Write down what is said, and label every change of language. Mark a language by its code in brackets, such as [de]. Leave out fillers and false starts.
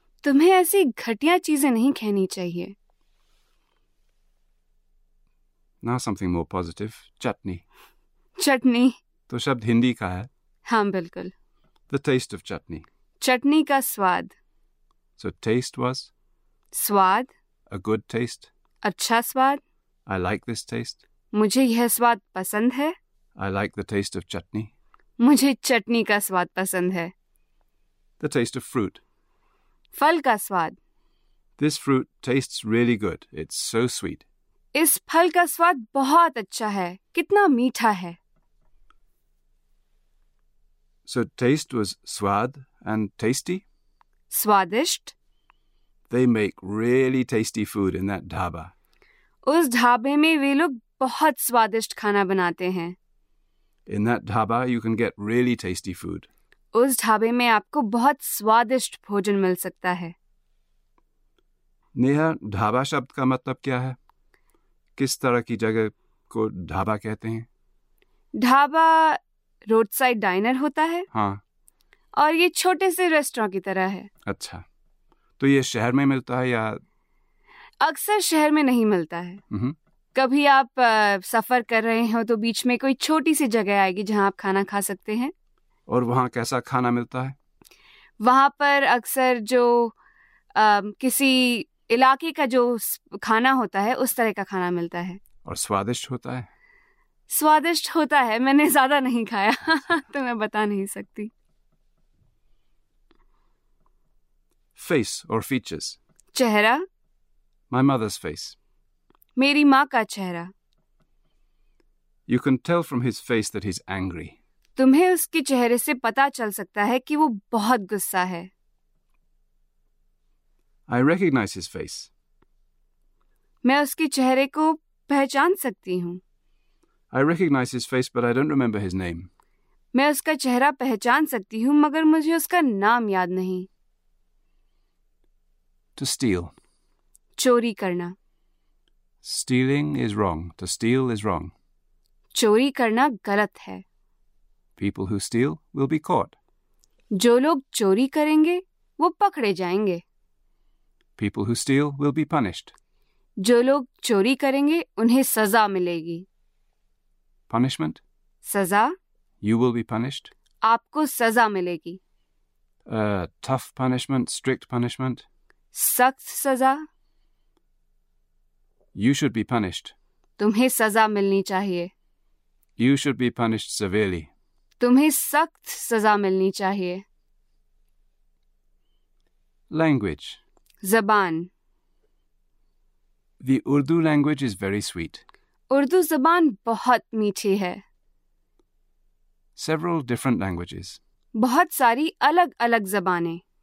[hi] तुम्हें ऐसी घटिया चीजें नहीं कहनी चाहिए। [en] Now something more positive, chutney. [hi] चटनी। तो शब्द हिंदी का है? हाँ बिल्कुल। [en] The taste of chutney. [hi] चटनी का स्वाद। [en] So taste was? [hi] स्वाद। [en] A good taste. [hi] अच्छा स्वाद। [en] I like this taste. [hi] मुझे यह स्वाद पसंद है। [en] I like the taste of chutney. [hi] मुझे चटनी का स्वाद पसंद है। [en] The taste of fruit. [hi] फल का स्वाद। [en] This fruit tastes really good. It's so sweet. [hi] इस फल का स्वाद बहुत अच्छा है। कितना मीठा है। [en] So taste was swad and tasty? [hi] स्वादिष्ट। [en] They make really tasty food in that dhaba. [hi] उस ढाबे में वे लोग बहुत स्वादिष्ट खाना बनाते हैं। [en] In that dhaba, you can get really tasty food. [hi] उस ढाबे में आपको बहुत स्वादिष्ट भोजन मिल सकता है। नेहा, ढाबा शब्द का मतलब क्या है? किस तरह की जगह को ढाबा कहते हैं? ढाबा [en] road side diner [hi] होता है। हाँ। और ये छोटे से रेस्टोरेंट की तरह है। अच्छा, तो ये शहर में मिलता है या? अक्सर शहर में नहीं मिलता है। कभी आप सफर कर रहे हो तो बीच में कोई छोटी सी जगह आएगी जहाँ आप खाना खा सकते हैं। और वहाँ कैसा खाना मिलता है? वहाँ पर अक्सर जो किसी इलाके का जो खाना होता है उस तरह का खाना मिलता है। और स्वादिष्ट होता है? स्वादिष्ट होता है। मैंने ज्यादा नहीं खाया तो मैं बता नहीं सकती। [en] Face और features. [hi] चेहरा। [en] My mother's face. [hi] मेरी माँ का चेहरा। [en] You can tell from his face that he's angry. [hi] तुम्हें उसके चेहरे से पता चल सकता है कि वो बहुत गुस्सा है। [en] I recognize his face. [hi] मैं उसके चेहरे को पहचान सकती हूँ। [en] I recognize his face, but I don't remember his name. [hi] मैं उसका चेहरा पहचान सकती हूँ, मगर मुझे उसका नाम याद नहीं। [en] To steal. [hi] चोरी करना। [en] Stealing is wrong. To steal is wrong. [hi] चोरी करना गलत है। [en] People who steal will be caught. [hi] जो लोग चोरी करेंगे, वो पकड़े जाएंगे। [en] People who steal will be punished. [hi] जो लोग चोरी करेंगे, उन्हें सजा मिलेगी। [en] Punishment? [hi] सजा? [en] You will be punished? [hi] आपको सजा मिलेगी। [en] Tough punishment, strict punishment? [hi] सख्त सजा? [en] You should be punished. [hi] तुम्हें सजा मिलनी चाहिए। [en] You should be punished severely. [hi] तुम्हें सख्त सजा मिलनी चाहिए। [en] Language. [hi] जबान। [en] The Urdu language is very sweet. [hi] Urdu जबान बहुत मीठी है। [en] Several different languages. [hi] बहुत सारी अलग अलग जबानें।